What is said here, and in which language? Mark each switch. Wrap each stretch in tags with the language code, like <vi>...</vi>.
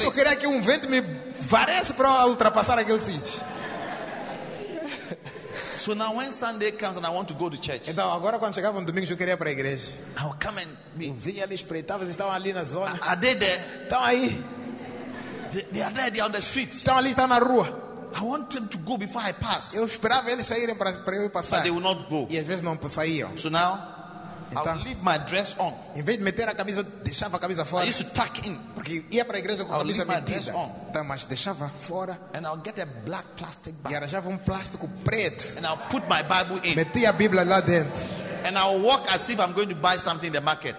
<pt>Eu só queria que vento me varesse para ultrapassar aquele sítio.</pt> <en>So now when Sunday comes and I want to go to church.</en> <pt>Então agora quando chegava no domingo eu queria ir para a igreja.</pt> <en>I would come and me.</en> <pt>Via ali espreitava, eles estavam ali na zona.</pt> <en>Are they there?</en> <pt>Estão aí.</pt> <en>They are there, they are on the street.</en> <pt>Estão ali, estão na rua.</pt> <en>I want them to go before I pass.</en> <pt>Eu esperava eles saírem para eu passar.</pt> <en>But they will not go.</en> <pt>E às vezes não saíam.</pt> <en>So now</en> <pt>então,</pt> <en>I'll leave my dress on.</en> <pt>Em vez de meter a camisa, deixava a camisa fora.</pt> <en>I used to tuck in.</en> <pt>Porque ia para a igreja com a camisa metida. Então, mas deixava fora.</pt> <en>And I'll get a black plastic bag.</en> <pt>E arranjava plástico preto.</pt> <en>And I'll put my Bible in.</en> <pt>Metia a Bíblia lá dentro.</pt> <en>And I'll walk as if I'm going to buy something in the market.</en>